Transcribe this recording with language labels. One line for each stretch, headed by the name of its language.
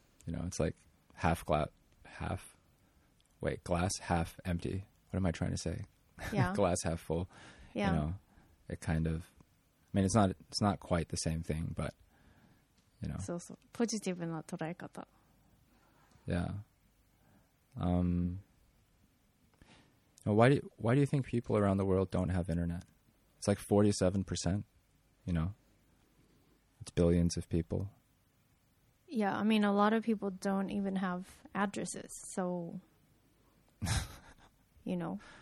English: You know, it's like half glass, half wait, glass half empty. What am I trying to say? Yeah. Glass half full. Yeah. You know, it kind of. I mean, it's not quite the same thing, but you know.
Japanese: そうそう、ポジティブな捉え方。
English: Yeah. Why do you think people around the world don't have internet? It's like 47%, you know? It's billions of people. Yeah, I mean, a lot of people don't even have addresses, so, you know.